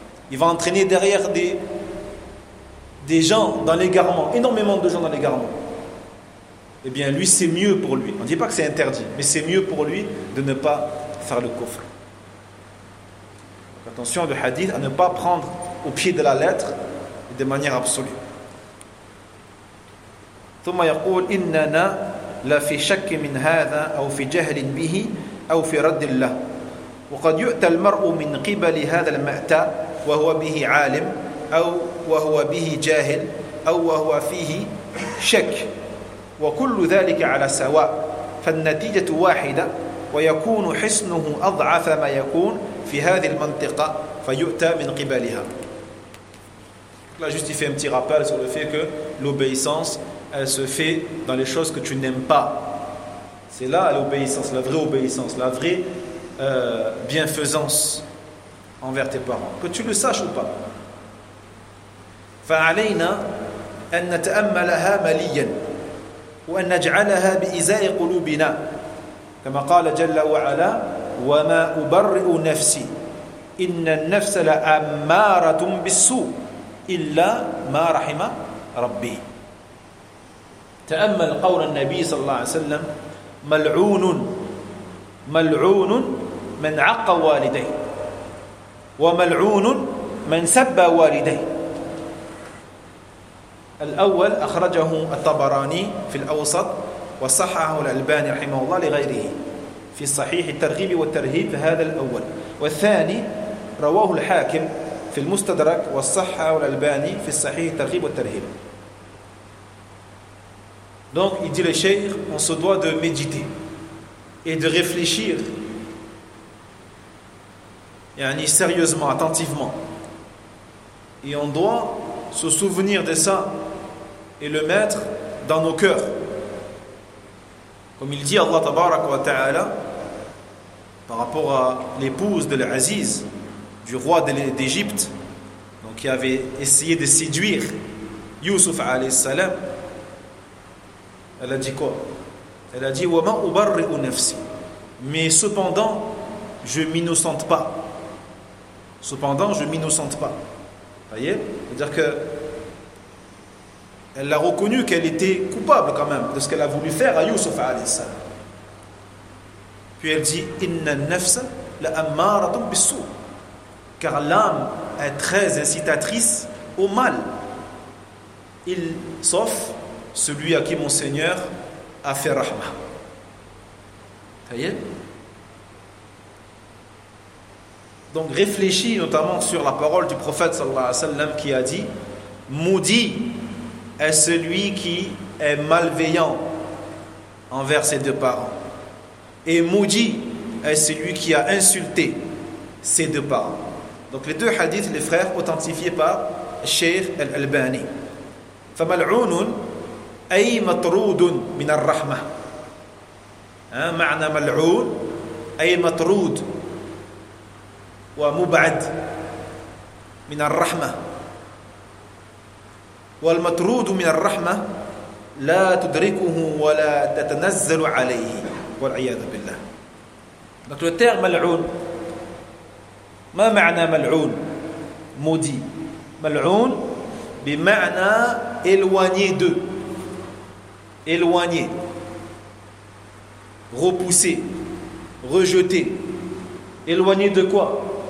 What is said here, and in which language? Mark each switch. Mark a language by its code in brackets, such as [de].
[fr] Il va entraîner derrière des gens dans l'égarement, énormément de gens dans l'égarement. Eh bien, lui, c'est mieux pour lui. On ne dit pas que c'est interdit, mais c'est mieux pour lui de ne pas faire le kufr. Attention, le hadith, à ne pas prendre au pied de la lettre de manière absolue. [ar] ثم يقول إننا لا في شك من هذا أو في جهل به أو في رد الله وقد يؤتى المرء من قبل هذا المأتى وهو به عالم أو وهو به جاهل أو وهو فيه شك وكل ذلك على سواء فالنتيجة واحدة ويكون حسنه أضعف ما يكون في هذه المنطقة فيؤتى من قبلها. [fr] Là, juste il fait un petit rappel sur le fait que l'obéissance, elle se fait dans les choses que tu n'aimes pas. C'est là l'obéissance, la vraie obéissance, la vraie bienfaisance envers tes parents, que tu le saches ou pas. [ar] فعلينا أن نتأملها مليا وأن نجعلها بإزاء قلوبنا كما قال جل وعلا وما أبرئ نفسي إن النفس لأمارة بالسوء إلا ما رحم ربي. تأمل قول النبي صلى الله عليه وسلم ملعون ملعون من عق والديه وملعون من سب والديه. الأول أخرجه الطبراني في الأوسط وصححه الألباني رحمه الله لغيره في الصحيح الترغيب والترهيب هذا الأول، والثاني رواه الحاكم في المستدرك وصححه الألباني في الصحيح الترغيب والترهيب. [fr] Donc il dit le cheikh, on se doit de méditer et de réfléchir yani sérieusement, attentivement, et on doit se souvenir de ça et le mettre dans nos cœurs. Comme il dit Allah tabarak wa ta'ala par rapport à l'épouse de l'Aziz, du roi d'Égypte, donc qui avait essayé de séduire Yusuf alayhi salam. Elle a dit quoi? Elle a dit [ar] وَمَا أُبَرِّئُ نَفْسِي. [fr] Mais cependant, je ne m'innocente pas. Cependant, je ne m'innocente pas. Vous voyez? C'est-à-dire que elle a reconnu qu'elle était coupable quand même de ce qu'elle a voulu faire à Yusuf alayhi salam. Puis elle dit [ar] إِنَّ النَّفْسَ لَأَمَّارَةٌ بِالسُّوءِ. [fr] Car l'âme est très incitatrice au mal. Il sauf celui à qui mon Seigneur a fait rahma. Ça y est. Donc réfléchis notamment sur la parole du prophète sallallahu alayhi wa sallam qui a dit: maudit est celui qui est malveillant envers ses deux parents, et maudit est celui qui a insulté ses deux parents. Donc les deux hadiths, les frères, authentifiés par Cheikh Al-Albani. [ar] فَمَلْعُونٌ أَيْ مَطْرُودٌ مِنَ الرَّحْمَةِ. معنى ملعون أي مطرود ومبعد من الرحمة. والمطرود من الرحمة لا تدركه ولا تتنزل عليه والعياذ بالله. [fr] Donc le terme ملعون, [ar] ما معنى ملعون؟ مودي ملعون بمعنى [fr] éloigné de, éloigné, repoussé, rejeté. Éloigné de quoi?